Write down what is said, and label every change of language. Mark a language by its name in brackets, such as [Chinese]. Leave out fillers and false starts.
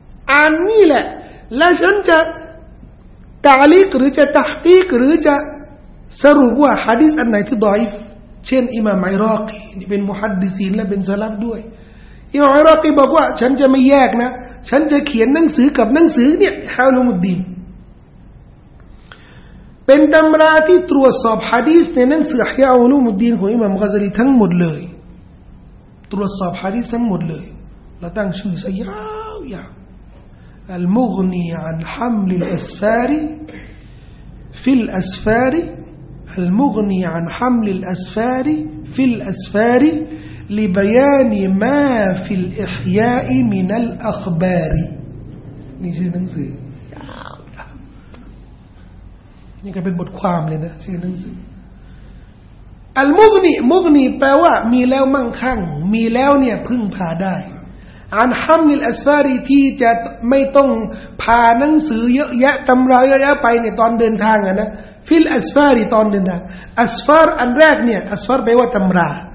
[Thai] อ่านนี่แหละและฉันจะตะลีกหรือจะตะฮีกหรือจะสรุปว่าหะดีษอันไหนที่ดออีฟเช่นอิมามไอรอกีนี่เป็นมุฮัดดิซีนและเป็นซะลัฟด้วยอิมามไอรอกีบอกว่าฉันจะไม่แยกนะฉันจะเขียนหนังสือกับหนังสือเนี่ยฮาวลุมุดดีน เป็นตำราที่ตรวจสอบหะดีษในหนังสือฮาวลุมุดดีนของอิมามกอซาลีทั้งหมดเลยตรวจสอบหะดีษทั้งหมดเลยแล้วตั้งชื่อซะยาวๆ [Arabic] المغني عن حمل الأسفار في الأسفار المغني عن حمل الأسفار في الأسفار لبيان ما في الإحياء من الأخبار. [Thai] نيجي ننسي นี่ก็เป็นบทความเลยนะชื่อหนังสืออัลมุกนีมุกนีแปลว่ามีแล้วมั่งคั่งมีแล้วเนี่ยพึ่งพาได้อันฮัมมิลอัสฟาริที่จะไม่ต้องพาหนังสือเยอะแยะตำราเยอะแยะไปเนี่ยตอนเดินทางอ่ะนะฟิลอัสฟาริตอนเดินทางอัสฟาร์อันแรกเนี่ยอัสฟาร์แปลว่าตำรา